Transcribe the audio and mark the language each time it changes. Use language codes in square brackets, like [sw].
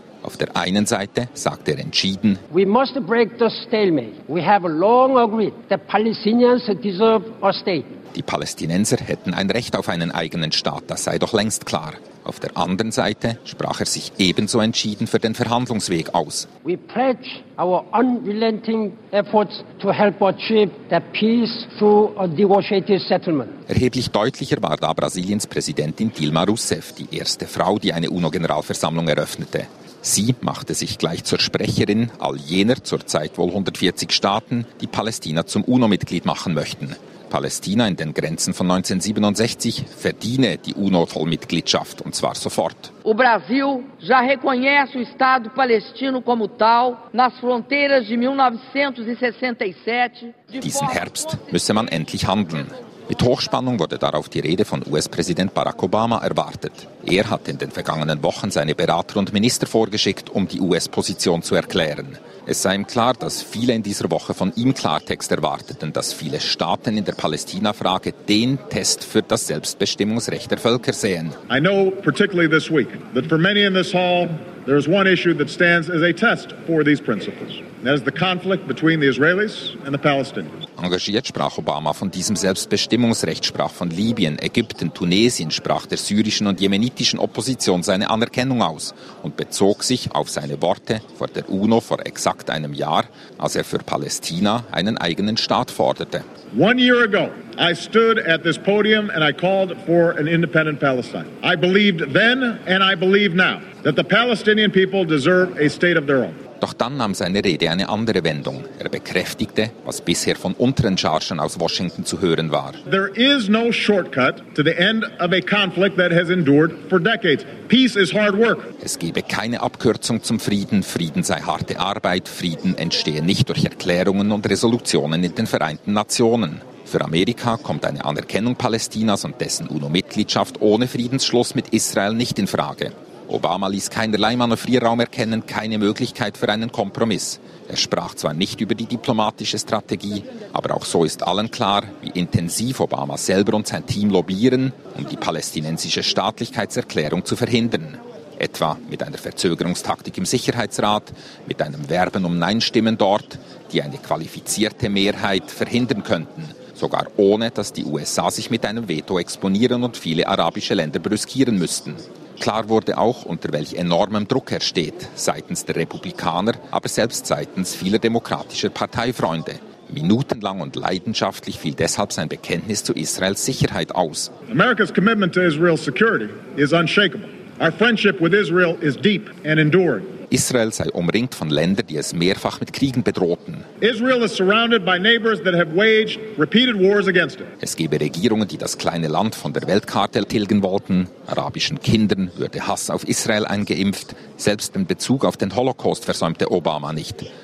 [de] Auf der einen Seite sagt er entschieden: [en] We must break the stalemate. We have long agreed. The Palestinians deserve a state. [de] Die Palästinenser hätten ein Recht auf einen eigenen Staat, das sei doch längst klar. Auf der anderen Seite sprach er sich ebenso entschieden für den Verhandlungsweg aus. [en] We pledge our unrelenting efforts to help achieve the peace through a negotiated settlement. [de] Erheblich deutlicher war da Brasiliens Präsidentin Dilma Rousseff, die erste Frau, die eine UNO-Generalversammlung eröffnete. Sie machte sich gleich zur Sprecherin all jener zurzeit wohl 140 Staaten, die Palästina zum UNO-Mitglied machen möchten. Palästina in den Grenzen von 1967 verdiene die UNO-Vollmitgliedschaft, und zwar sofort. [pt] O Brasil já reconhece o Estado palestino como tal nas fronteiras de 1967. [de] Diesen Herbst müsse man endlich handeln. Mit Hochspannung wurde darauf die Rede von US-Präsident Barack Obama erwartet. Er hat in den vergangenen Wochen seine Berater und Minister vorgeschickt, um die US-Position zu erklären. Es sei ihm klar, dass viele in dieser Woche von ihm Klartext erwarteten, dass viele Staaten in der Palästina-Frage den Test für das Selbstbestimmungsrecht der Völker sehen. [en] I know particularly this week that for many in this hall there is one issue that stands as a test for these principles. That is the conflict between the Israelis and the Palestinians. [de] Engagiert sprach Obama von diesem Selbstbestimmungsrecht, sprach von Libyen, Ägypten, Tunesien, sprach der syrischen und jemenitischen Opposition seine Anerkennung aus und bezog sich auf seine Worte vor der UNO vor exakt einem Jahr, als er für Palästina einen eigenen Staat forderte. [en] One year ago, I stood at this podium and I called for an independent Palestine. I believed then and I believe now that the Palestinian people deserve a state of their own. [de] Doch dann nahm seine Rede eine andere Wendung. Er bekräftigte, was bisher von unteren Chargen aus Washington zu hören war. [en] There is no shortcut to the end of a conflict that has endured for decades. Peace is hard work. [de] Es gebe keine Abkürzung zum Frieden. Frieden sei harte Arbeit. Frieden entstehe nicht durch Erklärungen und Resolutionen in den Vereinten Nationen. Für Amerika kommt eine Anerkennung Palästinas und dessen UNO-Mitgliedschaft ohne Friedensschluss mit Israel nicht in Frage. Obama ließ keinerlei Manövrierraum erkennen, keine Möglichkeit für einen Kompromiss. Er sprach zwar nicht über die diplomatische Strategie, aber auch so ist allen klar, wie intensiv Obama selber und sein Team lobbyieren, um die palästinensische Staatlichkeitserklärung zu verhindern. Etwa mit einer Verzögerungstaktik im Sicherheitsrat, mit einem Werben um Nein-Stimmen dort, die eine qualifizierte Mehrheit verhindern könnten. Sogar ohne, dass die USA sich mit einem Veto exponieren und viele arabische Länder brüskieren müssten. Klar wurde auch, unter welch enormem Druck er steht, seitens der Republikaner, aber selbst seitens vieler demokratischer Parteifreunde. Minutenlang und leidenschaftlich fiel deshalb sein Bekenntnis zu Israels Sicherheit aus. [en] America's commitment to Israel's security is unshakable. Our friendship with Israel is deep and enduring. [de] Israel sei umringt von Ländern, die es mehrfach mit Kriegen bedrohten. [en] Israel is surrounded by neighbors that have waged repeated wars against it. [de] Es gebe Regierungen, die das kleine Land von der Weltkarte tilgen wollten. Arabischen Kindern würde Hass auf Israel eingeimpft. Selbst den Bezug auf den Holocaust versäumte Obama nicht.